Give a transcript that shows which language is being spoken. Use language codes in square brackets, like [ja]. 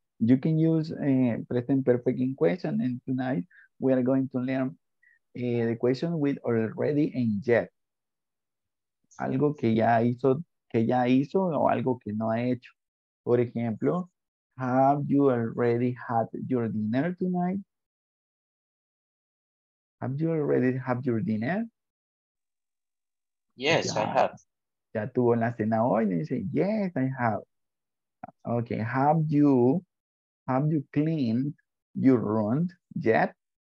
[en] You can use present perfect in question, and tonight we are going to learn the question with already and yet. [es] Algo que ya hizo o algo que no ha hecho. Por ejemplo, [en] have you already had your dinner tonight? Have you already had your dinner? Yes, ya, I have. [es] ¿Ya tuvo la cena hoy? Y dice, [en] yes, I have. Okay, have you cleaned your room yet?